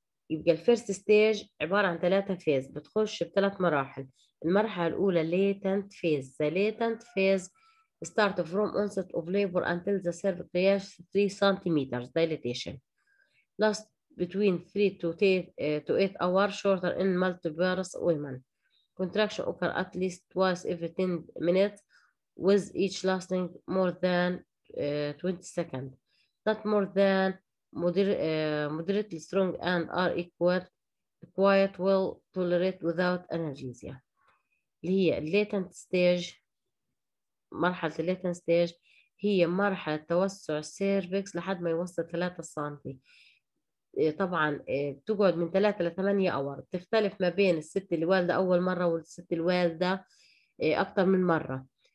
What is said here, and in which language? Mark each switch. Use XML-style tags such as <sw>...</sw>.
<ar>يبقى الفيرست ستيج عباره عن ثلاثه فيز بتخش بثلاث مراحل. المرحله الاولى</ar> <en>Latent phase, the latent phase start from onset of labour until the cervix reach 3 centimetre dilatation last between 3 to 8 hours shorter in multiverse women. Contraction occur at least twice every 10 minutes with each lasting more than 20 seconds. Not more than moderately strong and are equal quiet well tolerate without analgesia.</en> <ar>اللي هي latent stage، مرحلة latent stage هي مرحلة توسع السيرفيكس لحد ما يوصل 3 سنتي. طبعا بتقعد من 3 ل 8 اور، بتختلف ما بين الست اللي والده اول مره والست الوالده اكثر من مره.</ar>